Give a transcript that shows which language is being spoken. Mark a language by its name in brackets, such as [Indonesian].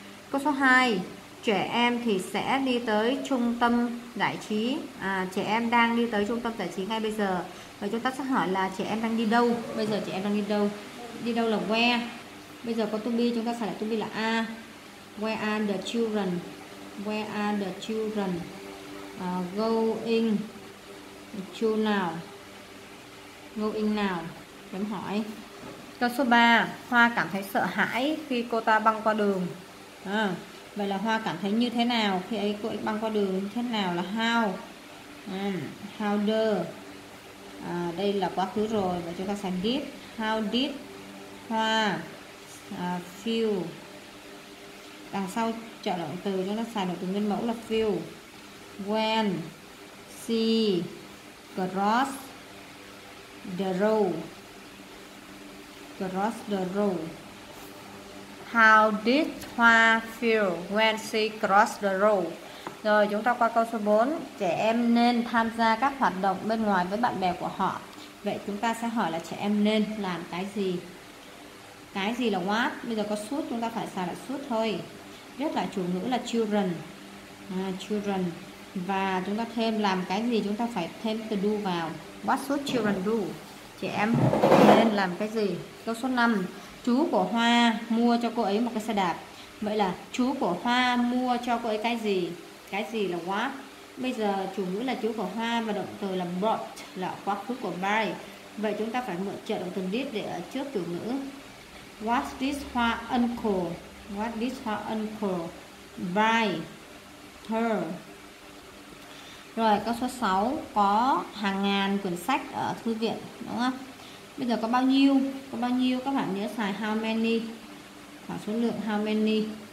[Vietnamese] Câu số 2, trẻ em thì sẽ đi tới trung tâm giải trí. Trẻ em đang đi tới trung tâm giải trí ngay bây giờ. Và chúng ta sẽ hỏi là trẻ em đang đi đâu. Bây giờ trẻ em đang đi đâu? Đi đâu là where. Bây giờ có to be, chúng ta xài lại to be là a. [English] Where are the children? Where are the children going to now? Going now? [Vietnamese] Chấm hỏi. Câu số 3, Hoa cảm thấy sợ hãi khi cô ta băng qua đường. Vậy là Hoa cảm thấy như thế nào khi ấy cô ấy băng qua đường, thế nào là how. How the đây là quá khứ rồi và chúng ta xài did. [English] How did Hoa feel. [Vietnamese] Đằng sau trợ động từ chúng ta xài động từ nguyên mẫu là feel. [English] When she crossed the road. Cross the road. How did Hoa feel when she crossed the road? [Vietnamese] Rồi chúng ta qua câu số 4. Trẻ em nên tham gia các hoạt động bên ngoài với bạn bè của họ. Vậy chúng ta sẽ hỏi là trẻ em nên làm cái gì? Cái gì là what? Bây giờ có should, chúng ta phải xài là should thôi. Viết lại chủ ngữ là children. Children. Và chúng ta thêm làm cái gì, chúng ta phải thêm từ do vào. [English] What should children do? [Vietnamese] Trẻ em nên làm cái gì? Câu số 5, chú của Hoa mua cho cô ấy một cái xe đạp. Vậy là chú của Hoa mua cho cô ấy cái gì? Cái gì là what? Bây giờ chủ ngữ là chú của Hoa và động từ là bought là quá khứ của buy. Vậy chúng ta phải mượn trợ động từ did để ở trước chủ ngữ. [English] What did Hoa uncle? What did Hoa uncle buy her? [Vietnamese] Rồi câu số 6, có hàng ngàn quyển sách ở thư viện đúng không? Bây giờ có bao nhiêu? Có bao nhiêu? Các bạn nhớ xài [English] how many. [Vietnamese] Khoảng số lượng how many.